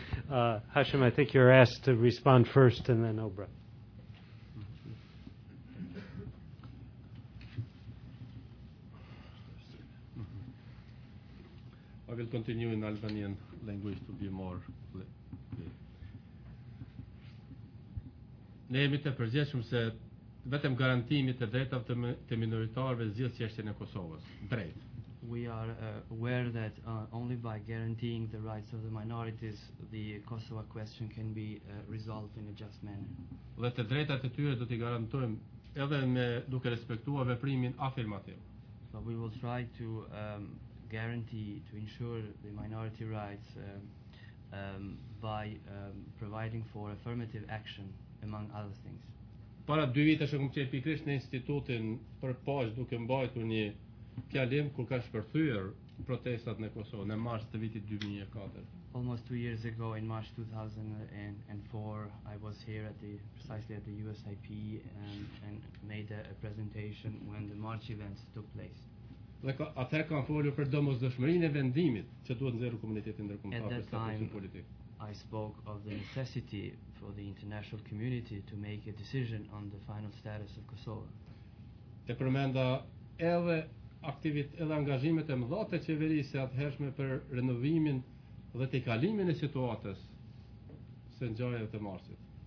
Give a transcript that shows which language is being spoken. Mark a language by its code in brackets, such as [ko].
[en] Hashim, I think you're asked to respond first, and then Obra. I will continue in Albanian language to be more clear. [sq] Ne jemi të përgjeshëm se vetëm garantimi të drejtave të minoritarëve zgjidhet çështja e Kosovës. Drejt. [en] We are aware that only by guaranteeing the rights of the minorities, the Kosovo question can be resolved in a just manner. [sq] Dhe të drejtat e tyre do t'i garantojmë edhe me duke respektuar veprimin afirmativ. [en] So we will try to guarantee to ensure the minority rights by providing for affirmative action, among other things. [sq] Para dy vitesh e kam qenë pikërisht në institutin për poshtë duke mbajtur një fjalim kur ka shpërthyer protestat në Kosovë në mars të vitit 2004. [en] Almost 2 years ago, in March 2004, I was here precisely at the USIP and made a presentation when the march events took place. [sq] Dhe ka, atëherë kanë folur për domosdoshmërinë e vendimit që duhet nxjerrë komuniteti ndërkombëtar për stabilizimin politik. [en] I spoke of the necessity for the international community to make a decision on the final status of Kosovo. [sq] E përmenda edhe aktivitet edhe angazhimet e mëdha të qeverisë atëhershme për renovimin dhe tejkalimin e situatës së ngjarjeve të marsit.